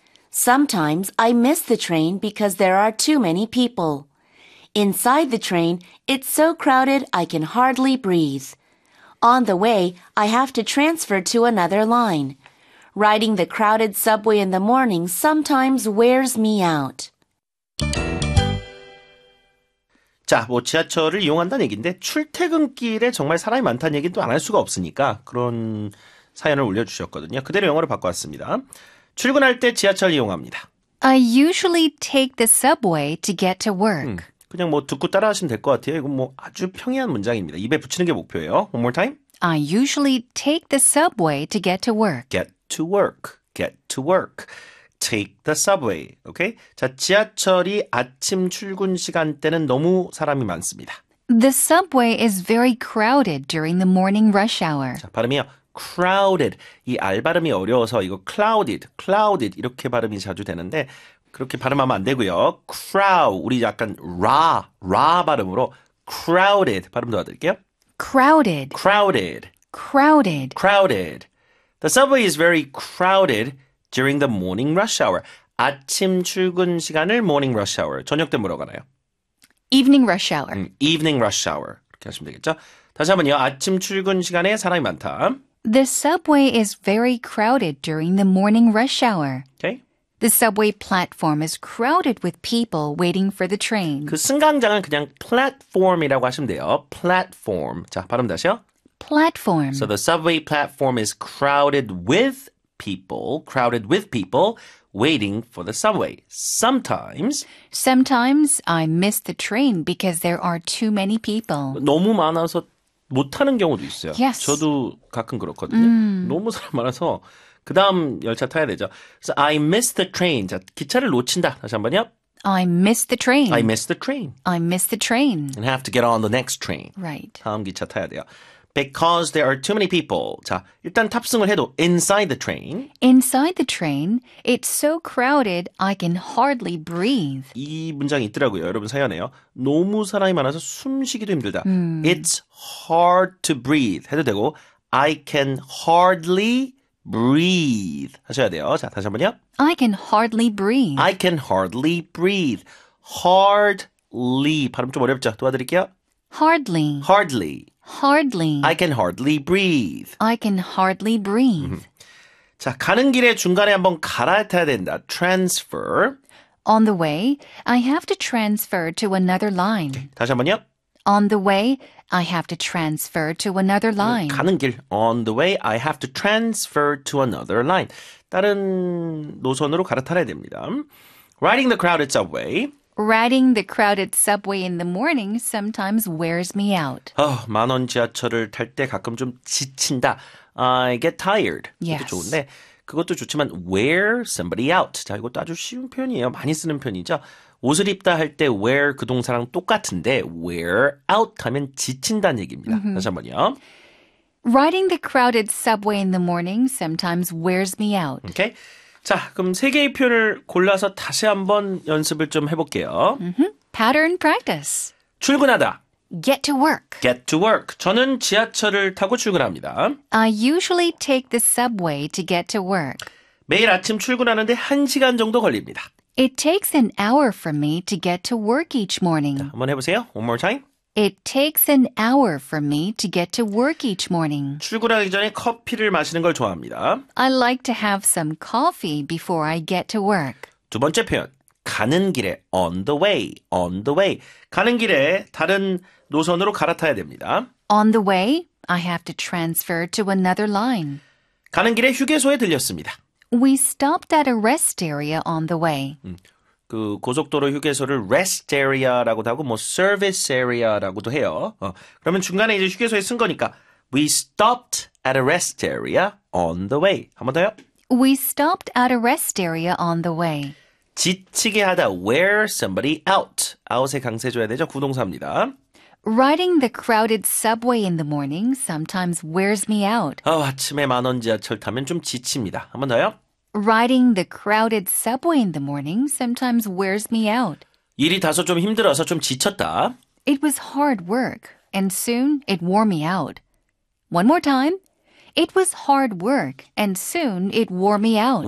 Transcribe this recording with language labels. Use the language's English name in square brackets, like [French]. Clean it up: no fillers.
[English] Sometimes I miss the train because there are too many people. Inside the train, it's so crowded I can hardly breathe. On the way, I have to transfer to another line. Riding the crowded subway in the morning sometimes wears me out. [Korean] 자, 뭐 지하철을 이용한다는 얘기인데 출퇴근길에 정말 사람이 많다는 얘기는 또 안 할 수가 없으니까 그런 사연을 올려주셨거든요. 그대로 영어로 바꿔왔습니다. 출근할 때 지하철 이용합니다. [English] I usually take the subway to get to work. [Korean] 그냥 뭐 듣고 따라하시면 될 것 같아요. 이건 뭐 아주 평이한 문장입니다. 입에 붙이는 게 목표예요. [English] One more time. I usually take the subway to get to work. Get to work. Get to work. Take the subway, okay? [Korean] 자, 지하철이 아침 출근 시간대는 너무 사람이 많습니다. [English] The subway is very crowded during the morning rush hour. [Korean] 자, 발음이요. [English] Crowded. [Korean] 이 R 발음이 어려워서 이거 clouded, clouded 이렇게 발음이 자주 되는데 그렇게 발음하면 안 되고요. Crowd, 우리 약간 ra 발음으로 crowded 발음 도와드릴게요. [English] Crowded. Crowded. Crowded. Crowded. The subway is very crowded during the morning rush hour. [Korean] 아침 출근 시간을 [English] morning rush hour. [Korean] 저녁 때 물어가나요? [English] Evening rush hour. [Korean] Evening rush hour. 이렇게 하시면 되겠죠? 다시 한번요. 아침 출근 시간에 사람이 많다. [English] The subway is very crowded during the morning rush hour. Okay. The subway platform is crowded with people waiting for the train. [Korean] 그 승강장은 그냥 platform이라고 하시면 돼요. Platform. 자, 발음 다시요. [English] Platform. So the subway platform is crowded with people, crowded with people, waiting for the subway. Sometimes. Sometimes I miss the train because there are too many people. [Korean] 너무 많아서 못 타는 경우도 있어요. [English] Yes. [Korean] 저도 가끔 그렇거든요. 너무 사람 많아서 그 다음 열차 타야 되죠. [English] So I miss the train. [Korean] 자, 기차를 놓친다. 다시 한 번요. [English] I miss the train. I miss the train. I miss the train. And have to get on the next train. Right. [Korean] 다음 기차 타야 돼요. [English] Because there are too many people. [Korean] 자, 일단 탑승을 해도 [English] inside the train. Inside the train, it's so crowded I can hardly breathe. [Korean] 이 문장이 있더라고요. 여러분 사연에요. 너무 사람이 많아서 숨쉬기도 힘들다. [English] It's hard to breathe [Korean] 해도 되고 [English] I can hardly breathe [Korean] 하셔야 돼요. 자, 다시 한 번요. [English] I can hardly breathe. I can hardly breathe. Hardly [Korean] 발음 좀 어렵죠? 도와드릴게요. [English] Hardly. Hardly. Hardly. I can hardly breathe. I can hardly breathe. [Korean] 자, 가는 길에 중간에 한번 갈아타야 된다. Transfer. [English] On the way, I have to transfer to another line. [Korean] 네, 다시 한 번요. [English] On the way, I have to transfer to another line. [Korean] 가는 길. [English] On the way, I have to transfer to another line. [Korean] 다른 노선으로 갈아타야 됩니다. [English] Riding the crowded subway. Riding the crowded subway in the morning sometimes wears me out. [Korean] 만원 지하철을 탈 때 가끔 좀 지친다. [English] I get tired. [Korean] 이것도 좋은데 그것도 좋지만 [English] wear somebody out. [Korean] 자, 이것도 아주 쉬운 표현이에요. 많이 쓰는 표현이죠. 옷을 입다 할 때 wear 그 동사랑 똑같은데 wear out 하면 지친다는 얘기입니다. Mm-hmm. 다시 한 번요. [English] Riding the crowded subway in the morning sometimes wears me out. Okay. [Korean] 자, 그럼 세 개의 표현을 골라서 다시 한번 연습을 좀 해볼게요. [English] Mm-hmm. Pattern practice. [Korean] 출근하다. [English] Get to work. Get to work. [Korean] 저는 지하철을 타고 출근합니다. [English] I usually take the subway to get to work. [Korean] 매일 아침 출근하는데 한 시간 정도 걸립니다. [English] It takes an hour for me to get to work each morning. [Korean] 자, 한번 해보세요. [English] One more time. It takes an hour for me to get to work each morning. [Korean] 출근하기 전에 커피를 마시는 걸 좋아합니다. [English] I like to have some coffee before I get to work. [Korean] 두 번째 표현, 가는 길에, [English] on the way, on the way. [Korean] 가는 길에 다른 노선으로 갈아타야 됩니다. [English] On the way, I have to transfer to another line. [Korean] 가는 길에 휴게소에 들렸습니다. [English] We stopped at a rest area on the way. [Korean] 그 고속도로 휴게소를 rest area라고도 하고 뭐 service area라고도 해요. 그러면 중간에 이제 휴게소에 쓴 거니까 [English] We stopped at a rest area on the way. [Korean] 한 번 더요. [English] We stopped at a rest area on the way. [Korean] 지치게 하다, [English] wear somebody out. [Korean] out에 강세 줘야 되죠. 구동사입니다. [English] Riding the crowded subway in the morning sometimes wears me out. [Korean] 아침에 만원 지하철 타면 좀 지칩니다. 한 번 더요. [English] Riding the crowded subway in the morning sometimes wears me out. [Korean] 일이 다소 좀 힘들어서 좀 지쳤다. [English] It was hard work and soon it wore me out. One more time. It was hard work and soon it wore me out.